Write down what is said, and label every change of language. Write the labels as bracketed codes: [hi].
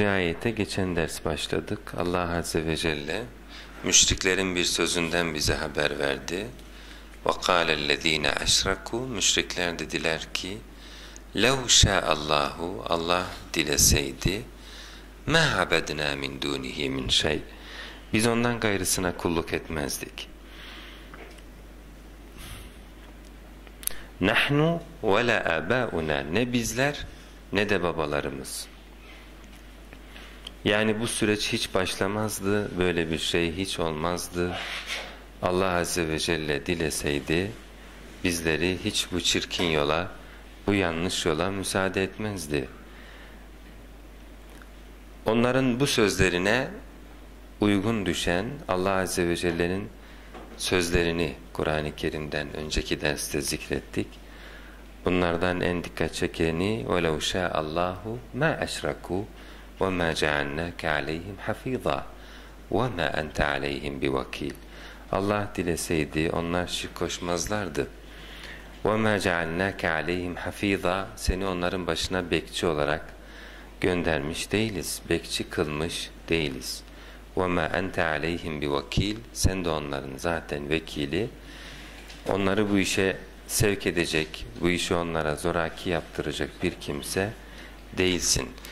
[tr] ayete geçen ders başladık. Allah Azze ve Celle müşriklerin bir sözünden bize haber verdi. [ar] وَقَالَ الَّذ۪ينَ اَشْرَكُوا [tr] Müşrikler dediler ki [ar] لَوْ شَاءَ اللّٰهُ [tr] Allah dileseydi [ar] مَا عَبَدْنَا مِنْ دُونِهِ مِنْ شَيْءٍ [tr] Biz ondan gayrısına kulluk etmezdik. [ar] نَحْنُ وَلَا أَبَاؤُنَا [tr] Ne bizler ne de babalarımız. Yani bu süreç hiç başlamazdı, böyle bir şey hiç olmazdı. Allah Azze ve Celle dileseydi bizleri hiç bu çirkin yola, bu yanlış yola müsaade etmezdi. Onların bu sözlerine uygun düşen Allah Azze ve Celle'nin sözlerini Kur'an-ı Kerim'den önceki derste zikrettik. Bunlardan en dikkat çekeni [ar] وَلَوْ شَاءَ اللّٰهُ مَا اَشْرَكُوا وَمَا جَعَلْنَاكَ عَلَيْهِمْ حَفِيظًا وَمَا أَنْتَ عَلَيْهِمْ بِوَكِيلٍ [tr] Allah dileseydi onlar şirk koşmazlardı. [ar] وَمَا جَعَلْنَاكَ عَلَيْهِمْ حَفِيظًا [tr] Seni onların başına bekçi olarak göndermiş değiliz. Bekçi kılmış değiliz. [ar] وَمَا أَنْتَ عَلَيْهِمْ بِوَكِيلٍ [tr] Sen de onların zaten vekili. Onları bu işe sevk edecek, bu işi onlara zoraki yaptıracak bir kimse değilsin.